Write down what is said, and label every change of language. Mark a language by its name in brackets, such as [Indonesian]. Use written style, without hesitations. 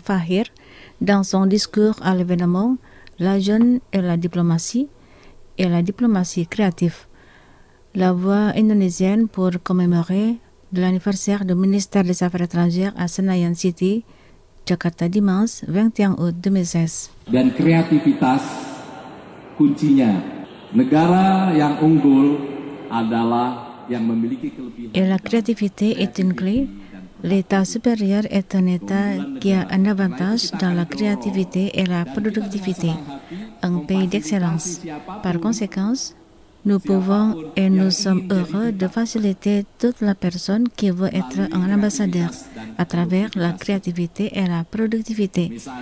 [French] Fahir, dans son discours à l'événement « La jeune et la diplomatie créative ». La voix indonésienne pour commémorer l'anniversaire du ministère des Affaires étrangères à Senayan City, Jakarta, dimanche 21 août 2016. [Indonesian] Dan kreativitas kuncinya. Negara yang unggul adalah yang memiliki kelebihan. [French] Et la créativité est une clé. L'état supérieur est un état qui a un avantage dans la créativité et la productivité, un pays d'excellence. Par conséquent, nous pouvons et nous sommes heureux de faciliter toute la personne qui veut être un ambassadeur à travers la créativité et la productivité.